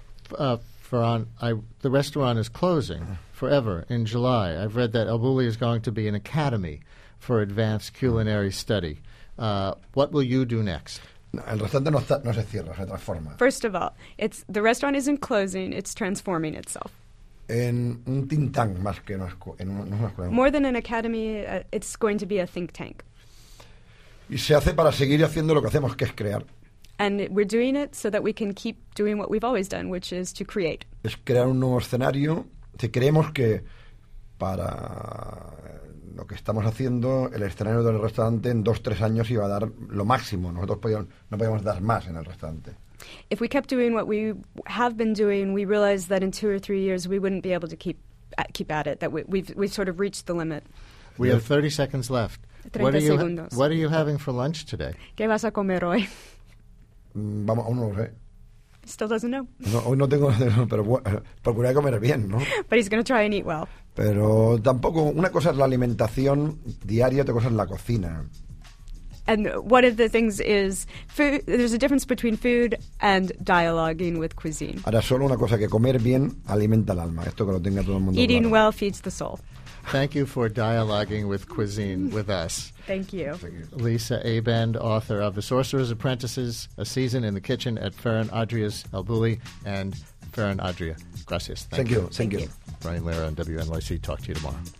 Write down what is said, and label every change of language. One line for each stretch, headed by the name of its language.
English: The restaurant is closing forever in July. I've read that El Bulli is going to be an academy for advanced culinary study. What will you do next?
Spanish: El restaurante no se cierra, se transforma.
English: First of all, the restaurant isn't closing, it's transforming itself.
Spanish: En un think tank más que una escuela.
English: More than an academy, it's going to be a think tank.
Spanish: Y se hace para seguir haciendo lo que hacemos, que es crear.
English: And we're doing it so that we can keep doing what we've always done, which is to create.
Spanish: Es crear un nuevo escenario. Si creemos que para lo que estamos haciendo, el escenario del restaurante en 2-3 años iba a dar lo máximo. Nosotros no podíamos dar más en el restaurante.
English: If we kept doing what we have been doing, we realized that in 2 or 3 years we wouldn't be able to keep at it, that we've sort of reached the limit. We have 30 seconds left. 30 what, are you
Spanish: segundos.
English: What are you having for lunch today?
Spanish: ¿Qué vas a comer hoy? Vamos, aún no lo sé.
English: Still doesn't know.
Spanish: No, hoy no tengo, pero procuré comer bien, ¿no?
English: But he's going to try and eat well.
Spanish: Pero tampoco, una cosa es la alimentación diaria, otra cosa es la cocina.
English: And one of the things is food, there's a difference between food and dialoguing with cuisine.
Spanish: Ahora solo una cosa, que comer bien alimenta el alma. Esto que lo tenga todo el mundo.
English: Eating
Spanish: claro.
English: Well feeds the soul. Thank you for dialoguing with cuisine with us. Thank you. Lisa Abend, author of The Sorcerer's Apprentices, A Season in the Kitchen at Ferran Adrià's El Bulli, and Ferran Adrià.
Spanish: Gracias.
English: Thank you. Thank you. Brian Lehrer on WNYC. Talk to you tomorrow.